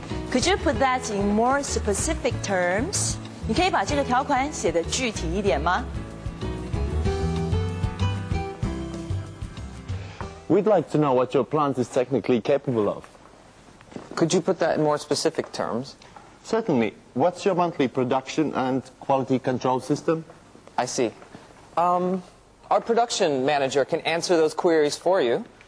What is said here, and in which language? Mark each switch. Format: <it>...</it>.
<en>Could you put that in more specific terms?</en> <zh>你可以把这个条款写得具体一点吗</zh> <en>？We'd like to know what your plant is technically capable of. Could you put that in more specific terms? Certainly. What's your monthly production and quality control system? I see. Our production manager can answer those queries for you.</en>